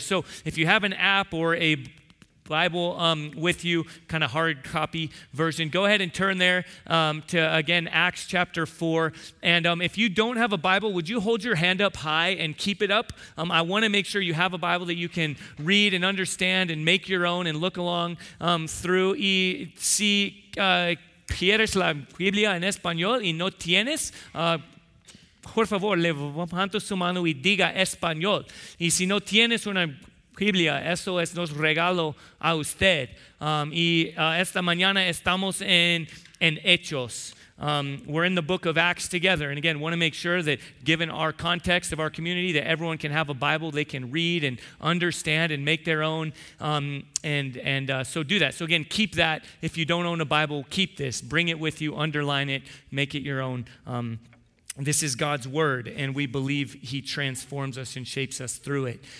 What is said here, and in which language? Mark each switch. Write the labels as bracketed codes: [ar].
[en] So if you have an app or a Bible with you, kind of hard copy version, go ahead and turn there to, again, Acts chapter 4. And if you don't have a Bible, would you hold your hand up high and keep it up? I want to make sure you have a Bible that you can read and understand and make your own and look along through. [es] Y si quieres la Biblia en español y no tienes, por favor, levanta su mano y diga español. Y si no tienes una Biblia, eso es nos regalo a usted. Esta mañana estamos en Hechos. [en] We're in the book of Acts together. And again, want to make sure that given our context of our community, that everyone can have a Bible they can read and understand and make their own. So do that. So again, keep that. If you don't own a Bible, keep this. Bring it with you, underline it, make it your own. This is God's word, and we believe he transforms us and shapes us through it.